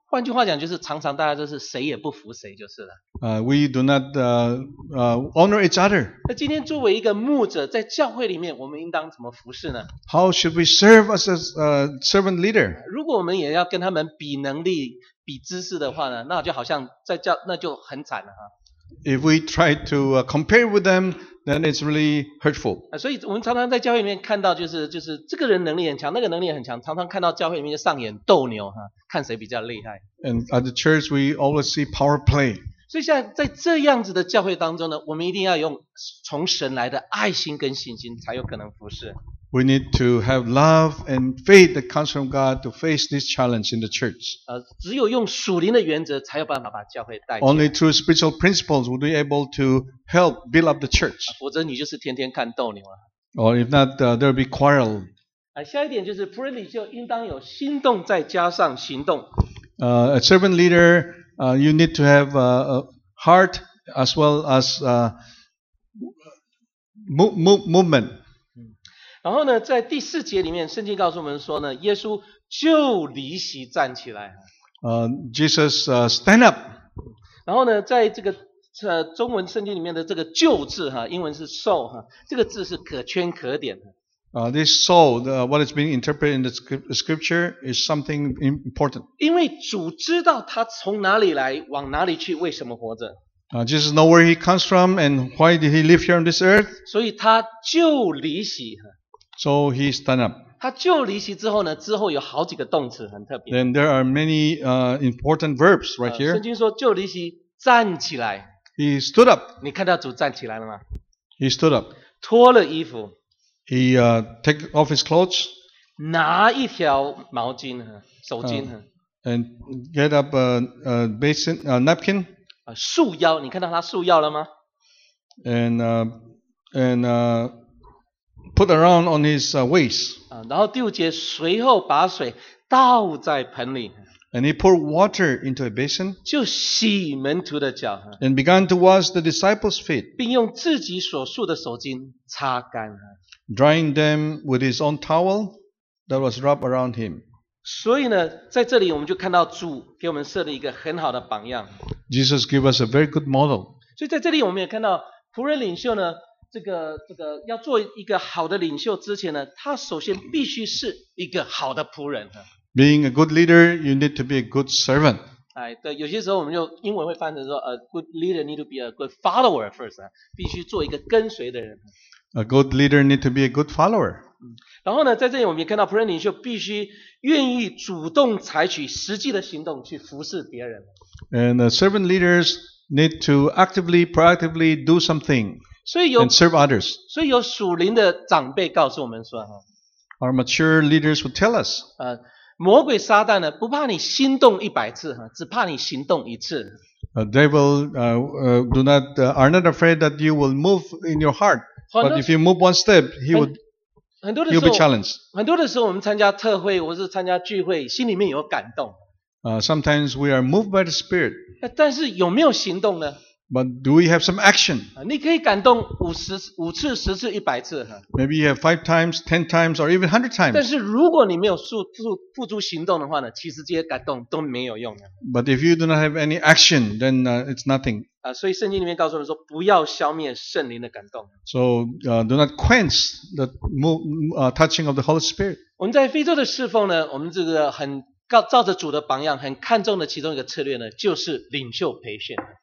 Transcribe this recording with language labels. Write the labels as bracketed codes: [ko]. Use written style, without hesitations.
[zh] 换句话讲，就是常常大家都是谁也不服谁就是了。 [en] We do not honor each other. [zh] 那今天作为一个牧者，在教会里面，我们应当怎么服事呢？ [en] How should we serve as a servant leader? [zh] 如果我们也要跟他们比能力、比知识的话呢，那就好像在教，那就很惨了哈。 [en] If we try to compare with them, then it's really hurtful. [zh] 所以我们常常在教会里面看到，就是这个人能力很强，那个能力很强，常常看到教会里面就上演斗牛哈，看谁比较厉害。 [en] And at the church, we always see power play. [zh] 所以在这样子的教会当中呢，我们一定要用从神来的爱心跟信心，才有可能服事。 [en] We need to have love and faith that comes from God to face this challenge in the church. [zh] 只有用属灵的原则，才有办法把教会带起来。 [en] Only through spiritual principles would we able to help build up the church. [zh] 否则你就是天天看斗牛了。 [en] Or if not, there'll be quarrel. [zh] 下一点就是仆人领袖应当有心动，再加上行动。 [en] A servant leader. You need to have a heart as well as movement. [zh] 然后呢，在第四节里面，圣经告诉我们说呢，耶稣就离席站起来。 [en] Jesus stand up. [zh] 然后呢，在这个中文圣经里面的这个“就”字哈，英文是 “so” 哈，这个字是可圈可点的。 [en] This so, what is being interpreted in the scripture is something important. [zh] 因为主知道他从哪里来，往哪里去，为什么活着。 [en] Jesus knows where he comes from and why did he live here on this earth. [zh] 所以他就离席。 [en] So he stand up. [zh] 他就离席之后呢，之后有好几个动词很特别。 [en] Then there are many important verbs right here. [zh] 圣经说就离席，站起来。 [en] He stood up. [zh] 你看到主站起来了吗？ [en] He stood up. [zh] 脱了衣服。 [en] He take off his clothes, [zh] 拿一条毛巾手巾 [en] and get up a basin, a napkin. [zh] 束腰，你看到他束腰了吗？ [en] And put around on his waist. [zh] 然后第五节，随后把水倒在盆里。 [en] And he poured water into a basin. [zh] 就洗门徒的脚。 [en] And began to wash the disciples' feet. [zh] 并用自己所束的手巾擦干了。 [en] Drying them with his own towel that was wrapped around him. [zh] 所以呢，在这里我们就看到主给我们设了一个很好的榜样。 [en] Jesus gave us a very good model. [zh] 所以在这里我们也看到仆人领袖呢，这个要做一个好的领袖之前呢，他首先必须是一个好的仆人。 [en] Being a good leader, you need to be a good servant. [zh] 哎，对，有些时候我们就英文会翻成说， [en] a good leader need to be a good follower first [zh] 啊，必须做一个跟随的人。 [en] A good leader need to be a good follower. [zh] 然后呢，在这里我们也看到仆人领袖必须愿意主动采取实际的行动去服侍别人。 [en] And servant leaders need to actively, proactively do something and serve others. [zh] 所以有属灵的长辈告诉我们说，哈 [en] ，Our mature leaders would tell us. [zh] 魔鬼撒旦呢，不怕你心动一百次，只怕你行动一次。 [en] Are not afraid that you will move in your heart, but if you move one step, he'll be challenged. [zh] 很多的时候，我们参加特会或是参加聚会，心里面有感动。 [en] Sometimes we are moved by the Spirit. [zh] 但是有没有行动呢？ [en] But do we have some action? [zh] 你可以感动五次、十次、一百次。 [en] Maybe you have 5 times, 10 times, or even 100 times. [zh] 但是如果你没有付诸行动的话呢，其实这些感动都没有用的。 [en] But if you do not have any action, then it's nothing. [zh] 所以圣经里面告诉我们说，不要消灭圣灵的感动。 [en] So do not quench the touching of the Holy Spirit. [zh] 我们在非洲的侍奉呢，我们这个很照着主的榜样，很看重的其中一个策略呢，就是领袖培训。